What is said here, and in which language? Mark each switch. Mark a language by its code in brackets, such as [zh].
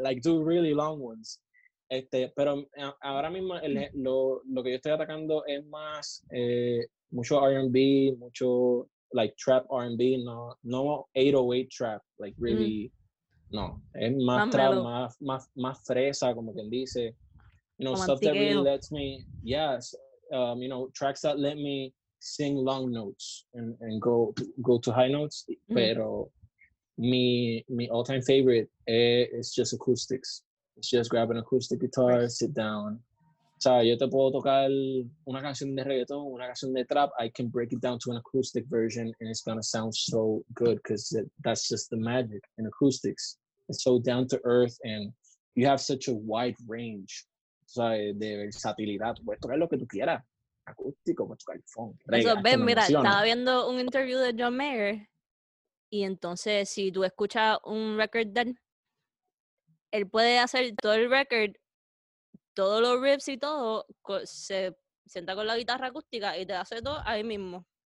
[es] like do really long ones. Pero ahora mismo lo que yo estoy atacando es más mucho R&B, mucho like trap R&B, no 808 trap, like really. No, es más trap, más fresa, como quien dice. [en] You know, stuff that really lets me, yes, you know, tracks that let me sing long notes and go to high notes. Mm-hmm. Pero mi all-time favorite is just acoustics. It's just grab an acoustic guitar, right. Sit down. [es] O sea, yo te puedo tocar una canción de reggaeton, una canción de trap. [en] I can break it down to an acoustic version and it's gonna sound so good because that's just the magic in acoustics. It's so down to earth and you have such a wide range. [es] O sea, de versatilidad. Puedes tocar lo que tú quieras. Acústico, pues, eso, ven, mira, estaba viendo un interview de John Mayer y entonces si tú escuchas un record de él puede hacer todo el record, todos los riffs y todo, se sienta con la guitarra acústica y te hace todo ahí mismo.